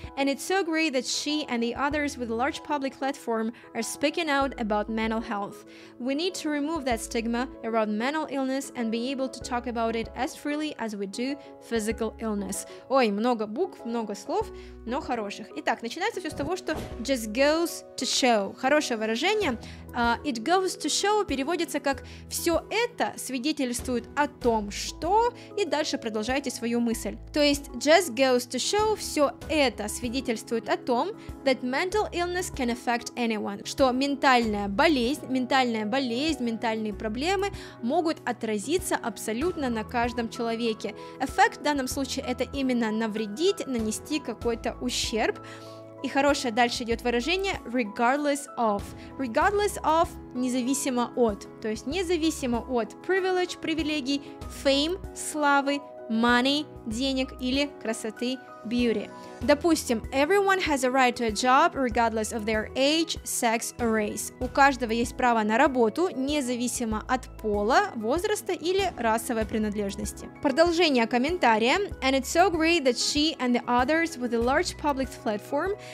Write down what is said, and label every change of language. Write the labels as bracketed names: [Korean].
[English] And it's so great that she and the others with a large public platform are speaking out about mental health. We need to remove that stigma around mental illness and be able to talk about it as freely as we do physical illness. [Russian] Ой, много букв, много слов, но хороших. Итак, начинается все с того, что [English] just goes to show. [Russian] Хорошее выражение. [English] It goes to show [Russian] переводится как все это свидетельствует о том, что, и дальше продолжайте свою мысль. То есть [English] just goes to show, [Russian] все это свидетельствует о том, [English] that mental illness can affect anyone, [Russian] что ментальная болезнь, ментальные проблемы могут отразиться абсолютно на каждом человеке. Effect в данном случае это именно навредить, нанести какой-то ущерб. И хорошее дальше идет выражение [English] regardless of. [Russian] Regardless of независимо от. То есть независимо от privilege, привилегий, fame, славы, [English] money, [Russian] денег, или красоты, [English] beauty. [Russian] Допустим, [English] everyone has a right to a job, regardless of their age, sex, or race. [Russian] У каждого есть право на работу, независимо от пола, возраста или расовой принадлежности. Продолжение комментария. [English] And it's so great that she and the others with a large public platform.